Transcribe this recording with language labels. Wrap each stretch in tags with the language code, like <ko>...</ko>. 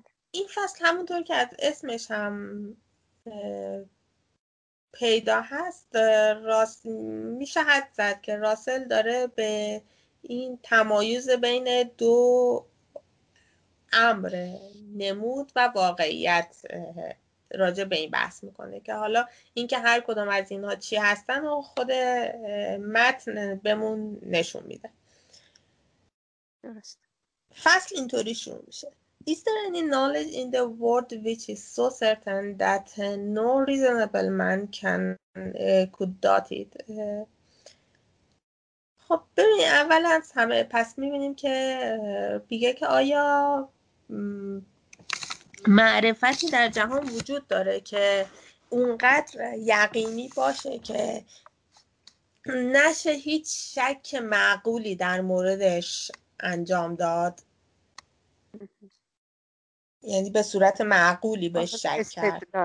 <fa>این فصل همونطور که از اسمش هم پیدا هست میشه حد زد که راسل داره به این تمایز بین دو امر نمود و واقعیت راجع به این بحث میکنه که حالا اینکه هر کدام از اینها چی هستن و خود متن بهمون نشون میده. درست. فصل اینطوری شروع میشه:</fa> <en>Is there any knowledge in the world which is so certain that no reasonable man can could doubt it?</en> <fa>خب ببینید، اول از همه پس میبینیم که بیگه که آیا معرفتی در جهان وجود داره که اونقدر یقینی باشه که نشه هیچ شک معقولی در موردش انجام داد، یعنی به صورت معقولی بهش شک کرد.</fa>